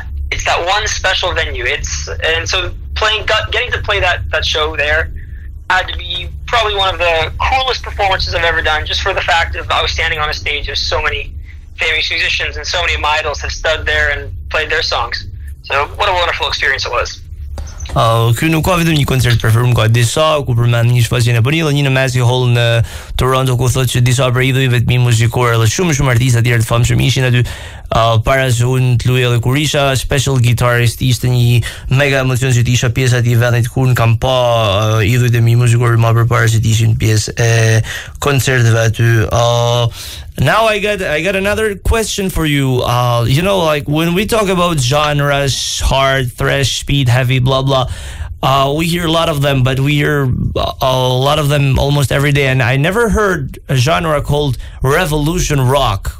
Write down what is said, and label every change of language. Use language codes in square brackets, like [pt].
[en] It's that one special venue. Getting to play that show there had to be probably one of the coolest performances I've ever done, just for the fact of I was standing on a stage with so many famous musicians and so many of my idols have stood there and played their songs. So what a wonderful experience it was. [sq] Kjo nuk ka vetëm një koncert preferum, ka disa, ku përmend një shfaqje në Bonilla, një në Massey Hall në Toronto, ku thot që disa për idhujve të mi muzikore dhe shumë artista tjerë të famshëm ishin aty, para se unë të luja dhe kur isha special guitarist, ishte një mega emocion që t'isha pjesë ati vendit, ku në kam pa idhujt e mi muzikore ma për para se t'ishin pjesë e koncertëve aty. [en] Now I got another question for you. You know, like when we talk about genres, hard, thrash, speed, heavy, blah blah, we hear a lot of them, but we hear a lot of them almost every day, and I never heard a genre called revolution rock.